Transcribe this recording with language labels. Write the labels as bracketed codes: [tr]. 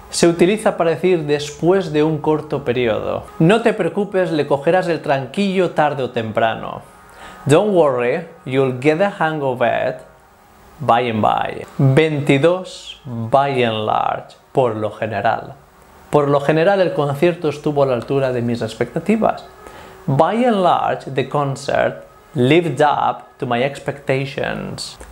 [es] Se utiliza para decir después de un corto periodo. No te preocupes, le cogerás el tranquillo tarde o temprano. [en] Don't worry, you'll get the hang of it. By and by. 22. By and large. [es] Por lo general. Por lo general, el concierto estuvo a la altura de mis expectativas. [en] By and large, the concert lived up to my expectations.